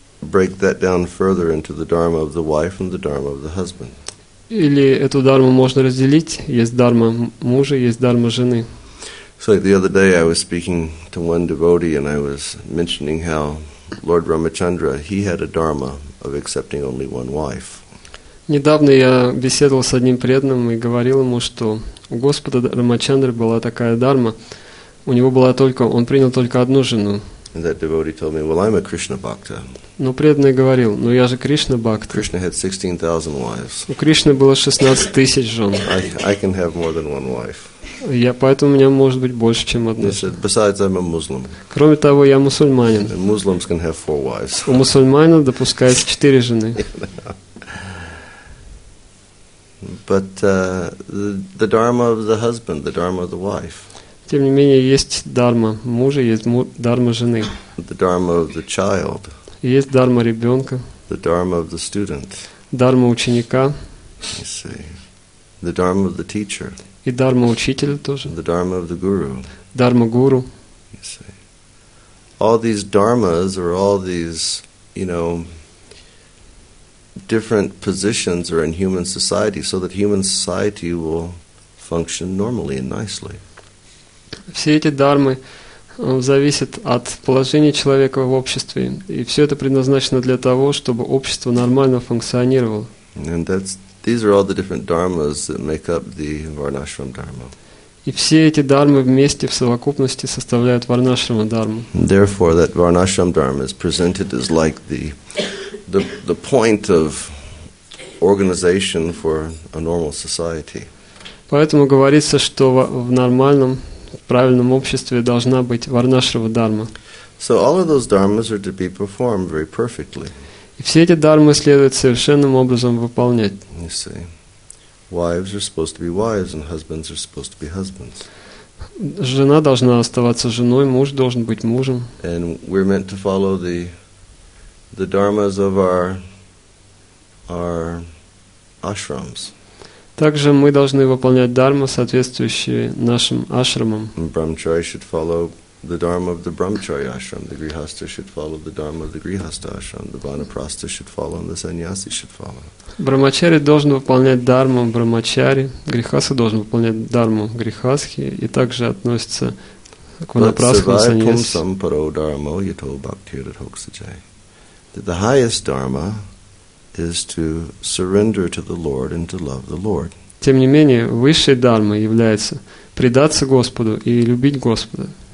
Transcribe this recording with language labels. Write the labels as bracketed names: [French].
[English] Break that down further into the dharma of the wife and the dharma of the husband. [Russian] Или эту дарму можно разделить. Есть дарма мужа, есть дарма жены. [English] So like the other day I was speaking to one devotee and I was mentioning how Lord Ramachandra, he had a dharma of accepting only one wife. [Russian] Недавно я беседовал с одним преданным и говорил ему, что у Господа Рамачандры была такая дарма. У него была только, он принял только одну жену. [English] And that devotee told me, "Well, I'm a Krishna bhakta." [Russian] Но преданный говорил, "Но я же Кришна бхакта." [English] Krishna had 16,000 wives. [Russian] У Кришны было 16,000 жен. [English] I can have more than one wife. [Russian] Я поэтому у меня может быть больше, чем одна. [English] Besides, I'm a Muslim. [Russian] Кроме того, я мусульманин. [English] And Muslims can have 4 wives. [Russian] У мусульманина допускается 4 жены. [English] But the dharma of the husband, the dharma of the wife. [Russian] Тем не менее, есть дарма мужа, есть дарма жены. [English] The dharma of the child. [Russian] Есть дарма ребенка. [English] The dharma of the student. [Russian] Дарма ученика. [English] You see. The dharma of the teacher. [Russian] И дарма учителя тоже. [English] The dharma of the guru. [Russian] Дарма гуру. [English] You see. All these dharmas or all these, you know, different positions are in human society so that human society will function normally and nicely. [Russian] Все эти дармы зависит от положения человека в обществе, и все это предназначено для того, чтобы общество нормально функционировало. [English] And these are all the different dharmas that make up the Varnashram Dharma. [Russian] И все эти дармы вместе в совокупности составляют Варнашрама Дарму. [English] Therefore, that Varnashram Dharma is presented as like the point of organization for a normal society. [Russian] Поэтому говорится, что в нормальном, правильном обществе должна быть Варнашрама Дарма. [English] So all of those dharmas are to be performed very perfectly. [Russian] И все эти дармы следует совершенным образом выполнять. [English] You see. Wives are supposed to be wives, and husbands are supposed to be husbands. [Russian] Жена должна оставаться женой, муж должен быть мужем. [English] And we're meant to follow the dharmas of our ashrams. [Russian] Также мы должны выполнять дармы, соответствующие нашим ашрамам. [English] Brahmacharya should follow the dharma of the brahmacharya ashram. The grihastha should follow the dharma of the grihastha ashram. The vanaprastha should follow, and the sannyasi should follow. [Russian] Брахмачари должен выполнять дарму брахмачари, грихаса должен выполнять дарму грихасхи, и также относится к ванапрастху саньяси. [English] The highest dharma is to surrender to the Lord and to love the Lord. [Russian] Тем не менее, высшей дармой является предаться Господу и любить Господа.